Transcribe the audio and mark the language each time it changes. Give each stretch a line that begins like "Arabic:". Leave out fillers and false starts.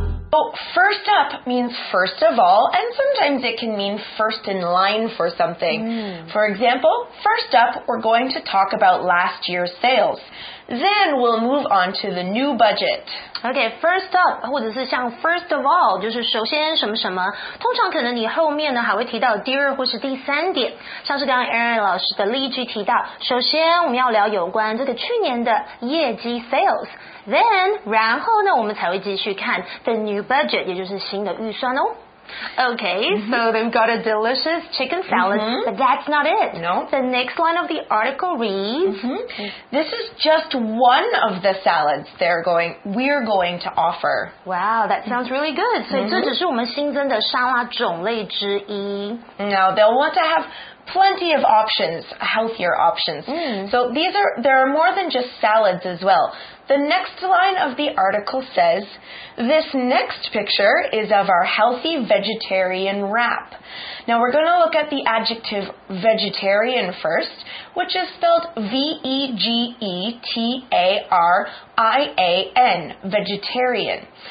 English: Well, first up means first of all, and sometimes it can mean first in line for something.、 Mm. For example, first up, we're going to talk about last year's sales. Then we'll move on to the new budget.
Chinese: Okay, first up, 或者是像
English: first of all,
Chinese: 就是首先什么什么。通常可能你后面呢还会提到第二或是第三点。像是刚刚 Aaron 老师的例句提到，首先我们要聊有关这个去年的业绩 sales。 Then, 然后呢我们才会继续看
English: the new budget,
Chinese: 也就是新的预算哦。
English: Okay, mm-hmm. So they've got a delicious chicken salad, mm-hmm. but that's not it. No. The next line of the article reads, mm-hmm. This is just one of the salads we're going to offer. Wow, that sounds really good.
Chinese: So 这只是我们新增的沙拉种类之一。
English: Now, they'll want to have plenty of options, healthier options. Mm. So there are more than just salads as well. The next line of the article says, this next picture is of our healthy vegetarian wrap. Now we're going to look at the adjective vegetarian first, which is spelled V-E-G-E-T-A-R-I-A-N, vegetarian.